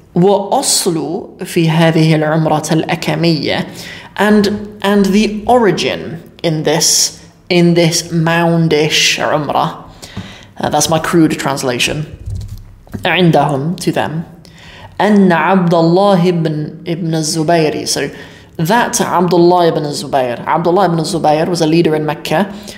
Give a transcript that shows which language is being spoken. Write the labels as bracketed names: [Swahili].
[Arabic] Wa aslu fi hadhihi al-umrat al-akamiyya. [English] And the origin in this moundish umrah. That's my crude translation. [Arabic] عندهم, [English] to them. [Arabic] أن عبد الله ابن الزبير. [English] So that عبد الله ابن الزبير. عبد الله ابن الزبير was a leader in Mecca.